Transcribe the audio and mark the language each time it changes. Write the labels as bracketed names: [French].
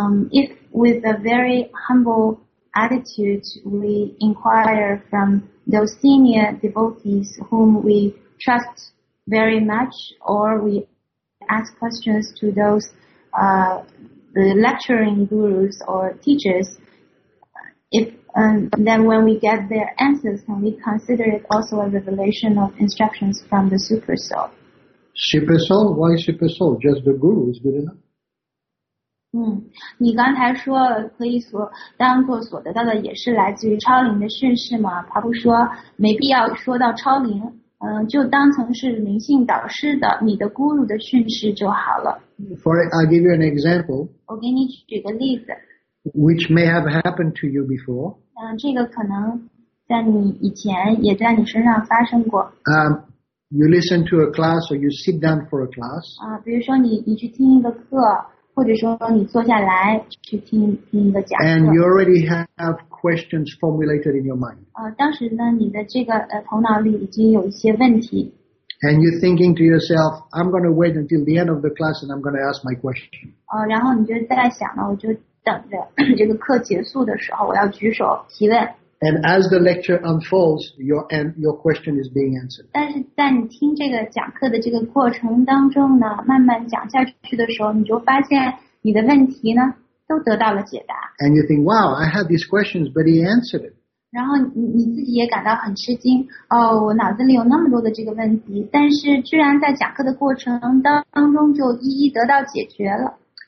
[English] If with a very humble attitude, we inquire from those senior devotees whom we trust very much, or we ask questions to those the lecturing gurus or teachers, then when we get their answers, and we consider it also a revelation of instructions from the Super Soul. Super Soul? Why Super Soul? Just the guru is good enough. [Chinese] 你刚才说可以所当做所得到的也是来自于超灵的训示嘛，他不说没必要说到超灵，就当成是灵性导师的你的 guru 的训示就好了。 [English] For I'll give you an example. [Chinese] 我给你举个例子。 [English] Which may have happened to you before. [Chinese] 这个可能在你以前也在你身上发生过。 [English] You listen to a class or you sit down for a class. [Chinese] 比如说你去听一个课。或者说你坐下来去听听一个讲课。 [English] And you already have questions formulated in your mind. [Chinese] 当时呢你的这个头脑里已经有一些问题。 [English] And you're thinking to yourself, I'm going to wait until the end of the class and I'm going to ask my question. [Chinese] 然后你就在想呢，我就等着这个课结束的时候我要举手提问。 [English] And as the lecture unfolds, your question is being answered. [Chinese] 但是在你听这个讲课的这个过程当中呢，慢慢讲下去的时候，你就发现你的问题呢都得到了解答。 [English] And you think, wow, I had these questions, but he answered it. [Chinese] 然后你自己也感到很吃惊，哦，我脑子里有那么多的这个问题，但是居然在讲课的过程当中就一一得到解决了。